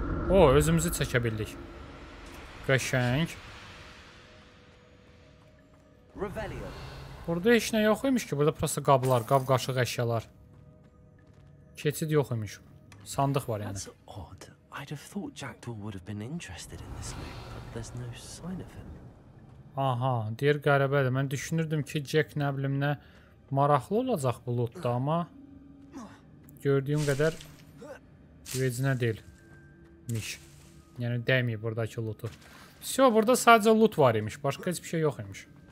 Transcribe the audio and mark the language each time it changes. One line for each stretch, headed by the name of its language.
Azerbaijani: O, özümüzü çəkə bildik. Qəşəng. Burada heç nə yox imiş ki, burada prosto qablar, qab-qaşıq əşyalar. Keçid yox imiş. Sandıq var yəni.
English: I'd have thought Jackdaw would have been interested in this loop, but there's no sign of him.
Azerbaijani: Aha, deyir qəribədir. Mən düşünürdüm ki, Jack nə bilim nə maraqlı olacaq bu lootda, amma gördüyüm qədər vecinə deyilmiş. Yəni dəymir buradakı lootu. Vəsio, burada sadəcə loot var imiş. Başqa heç bir şey yox imiş.